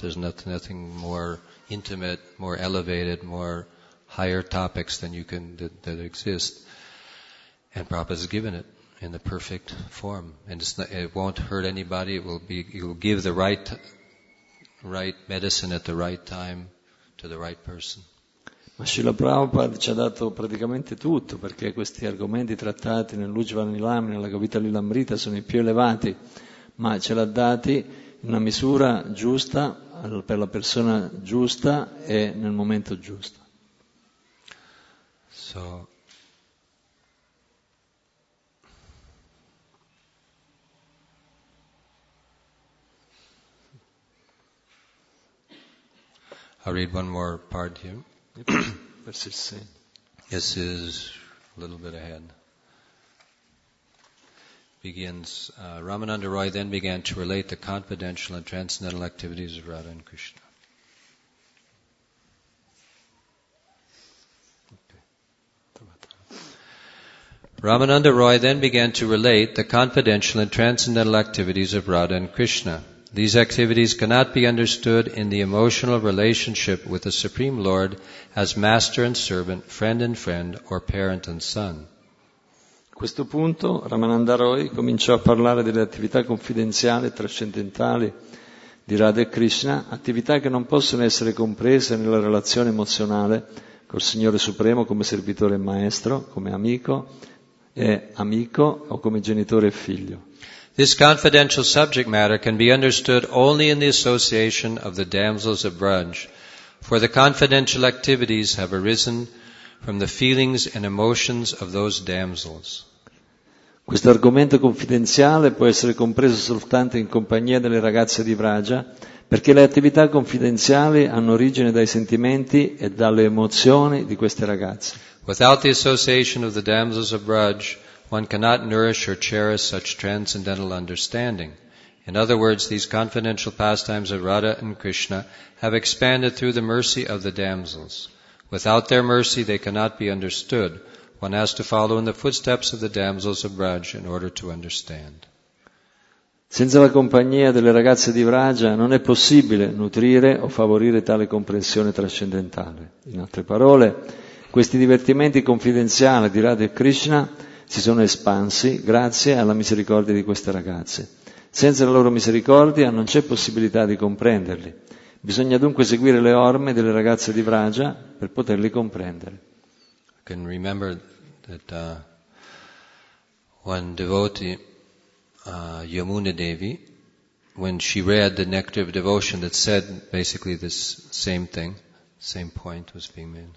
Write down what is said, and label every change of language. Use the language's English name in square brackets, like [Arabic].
[English] There's nothing more intimate, more elevated, more higher topics than you can, that exist. And Prabhupada has given it in the perfect form. And it won't hurt anybody. It will give the right medicine at the right time to the right person. [Italian] Ma Srila Prabhupada ci ha dato praticamente tutto, perché questi argomenti trattati nell'Ujjvala Lilamrita, nella Govinda Lilamrita, sono i più elevati, ma ce l'ha dati in una misura giusta, per la persona giusta e nel momento giusto. [English] So, I'll read one more part here. Verse 16. This is a little bit ahead. Begins, Ramananda Roy then began to relate the confidential and transcendental activities of Radha and Krishna. Okay. Ramananda Roy then began to relate the confidential and transcendental activities of Radha and Krishna. These activities cannot be understood in the emotional relationship with the Supreme Lord as master and servant, friend and friend, or parent and son. [Italian] A questo punto, Ramananda Roy cominciò a parlare delle attività confidenziali e trascendentali di Radha e Krishna, attività che non possono essere comprese nella relazione emozionale col Signore Supremo come servitore e maestro, come amico e amico o come genitore e figlio. [English] This confidential subject matter can be understood only in the association of the damsels of Braj, for the confidential activities have arisen from the feelings and emotions of those damsels. [Italian] Questo argomento confidenziale può essere compreso soltanto in compagnia delle ragazze di Vraja, perché le attività confidenziali hanno origine dai sentimenti e dalle emozioni di queste ragazze. [English] Without the association of the damsels of Braj, one cannot nourish or cherish such transcendental understanding. In other words, these confidential pastimes of Radha and Krishna have expanded through the mercy of the damsels. Without their mercy, they cannot be understood. One has to follow in the footsteps of the damsels of Braj in order to understand. [Italian] Senza la compagnia delle ragazze di Vraja non è possibile nutrire o favorire tale comprensione trascendentale. In altre parole, questi divertimenti confidenziali di Radha e Krishna si sono espansi grazie alla misericordia di queste ragazze. Senza la loro misericordia non c'è possibilità di comprenderli. Bisogna dunque seguire le orme delle ragazze di Vraja per poterli comprendere. [English] I can remember that one devotee, Yamuna Devi, when she read the Nectar of Devotion that said basically this same thing, same point was being made.